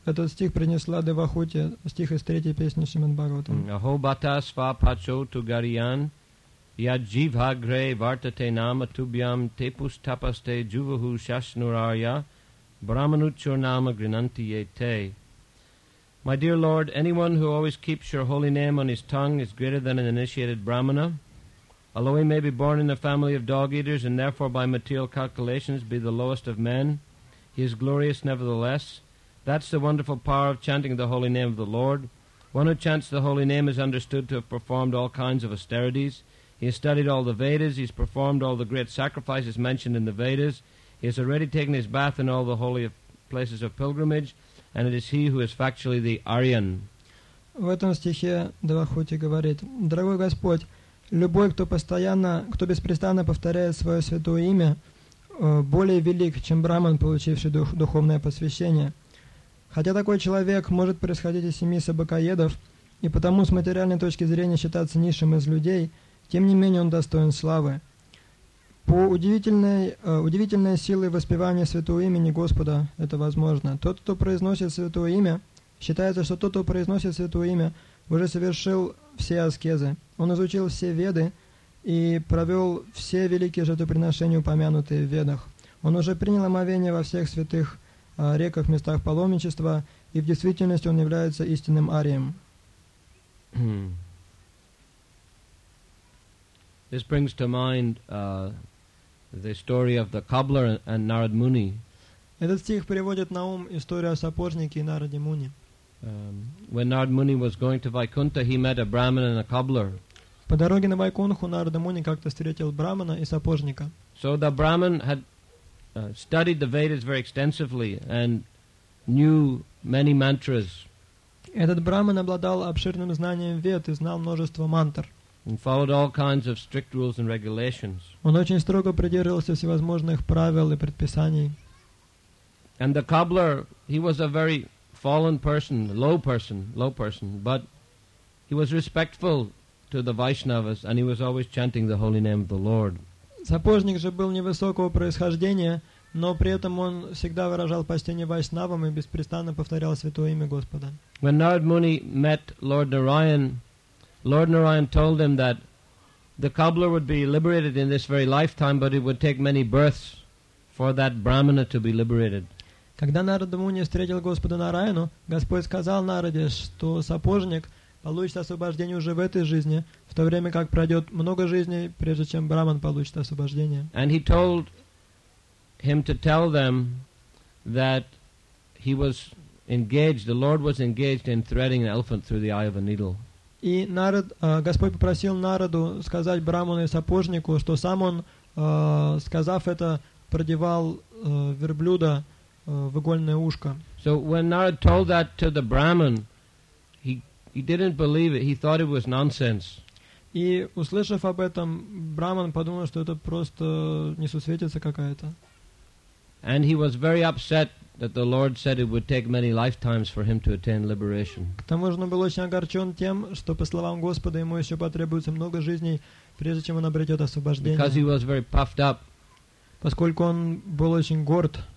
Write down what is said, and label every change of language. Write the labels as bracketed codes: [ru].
[ru] Этот стих принесла Девахути, стих из третьей песни Шримад Бхагаватам. [sa] Ахо бата сва пачо ту гарьян, я джива гре вартате нама тубьям, тепус тапасте джуваху шашнурарья, брахманучур нама гринанти е те. [en] My dear Lord, anyone who always keeps your holy name on his tongue is greater than an initiated brahmana. Although he may be born in the family of dog eaters and therefore by material calculations be the lowest of men, he is glorious nevertheless. That's the wonderful power of chanting the holy name of the Lord. One who chants the holy name is understood to have performed all kinds of austerities. He has studied all the Vedas. He's performed all the great sacrifices mentioned in the Vedas. He has already taken his bath in all the holy places of pilgrimage, and it is he who is factually the Aryan. [ru] В этом стихе Двахути говорит: «Дорогой Господь, любой, кто беспрестанно повторяет свое святое имя, более велик, чем браман, получивший духовное посвящение. Хотя такой человек может происходить из семьи собакоедов и потому с материальной точки зрения считаться низшим из людей, тем не менее он достоин славы. По удивительной силе воспевания святого имени Господа это возможно. Тот, кто произносит святое имя, считается, что тот, кто произносит святое имя, уже совершил все аскезы. Он изучил все веды и провел все великие жертвоприношения, упомянутые в ведах. Он уже принял омовение во всех святых реках, местах паломничества, и в действительности он является истинным арием». [en] This brings to mind the story of the cobbler and Narad Muni. [ru] Этот стих приводит на ум историю о сапожнике и Нараде Муни. [en] When Narad Muni was going to Vaikuntha, he met a Brahmin and a cobbler. [ru] По дороге на Вайкунху Нарада Муни как-то встретил брахмана и сапожника. [en] So the Brahmin had studied the Vedas very extensively and knew many mantras. [ru] Этот брахман обладал обширным знанием вед и знал множество мантр. [en] And followed all kinds of strict rules and regulations. [ru] Он очень строго придерживался всевозможных правил и предписаний. [en] And the cobbler, he was a very fallen person, low person, but he was respectful to the Vaishnavas and he was always chanting the holy name of the Lord. [ru] Сапожник же был невысокого происхождения, но при этом он всегда выражал почтение Вайшнавам и беспрестанно повторял святое имя Господа. [en] When Narad Muni met Lord Narayan, Lord Narayan told him that the cobbler would be liberated in this very lifetime, but it would take many births for that brahmana to be liberated. [ru] Когда Нарада Муни встретил Господа Нараяну, Господь сказал Нараде, что сапожник получит освобождение уже в этой жизни, в то время как пройдет много жизней, прежде чем браман получит освобождение. [en] And he told him to tell them that he was engaged, the Lord was engaged in threading an elephant through the eye of a needle. [ru] И Господь попросил Нараду сказать браману и сапожнику, что сам он, сказав это, продевал верблюда в игольное ушко. [en] So when Narad told that to the Brahmin, he didn't believe it. He thought it was nonsense. [ru] И услышав об этом, Брахман подумал, что это просто несусветица какая-то. [en] And he was very upset that the Lord said it would take many lifetimes for him to attain liberation. [ru] К тому же он был очень огорчен тем, что по словам Господа ему еще потребуется много жизней, прежде чем он обретет освобождение. [en] Because he was very puffed up. [ru] Поскольку он был очень горд.